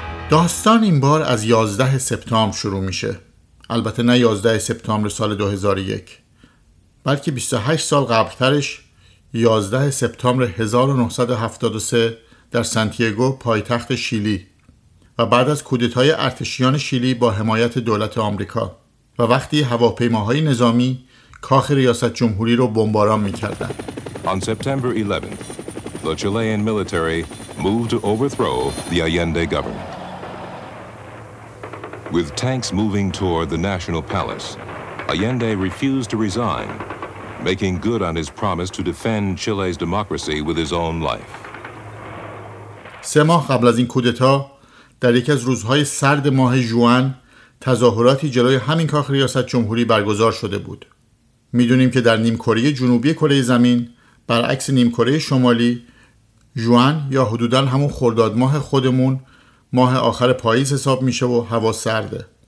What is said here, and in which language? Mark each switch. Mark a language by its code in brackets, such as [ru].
[fa] داستان این بار از 11 سپتامبر شروع میشه. البته نه 11 سپتامبر سال 2001، بلکه 28 سال قبلترش، 11 سپتامبر 1973 در سانتیاگو پایتخت شیلی و بعد از کودتای ارتشیان شیلی با حمایت دولت آمریکا و وقتی هواپیماهای نظامی کاخ ریاست جمهوری رو بمباران میکردند. [en] On September 11th, the Chilean military moved to overthrow the Allende government. With tanks moving toward the National Palace, Allende refused to resign, making good on his promise to defend Chile's democracy with his own life. [fa] 3 ماه قبل از این کودتا، در یکی از روزهای سرد ماه ژوئن، تظاهراتی جلوی همین کاخ ریاست جمهوری برگزار شده بود. میدونیم که در نیم کره جنوبی کره زمین، برعکس نیم کره شمالی، ژوئن یا حدوداً همون خرداد ماه خودمون ماه آخر پاییز حساب میشه و هوا سرده.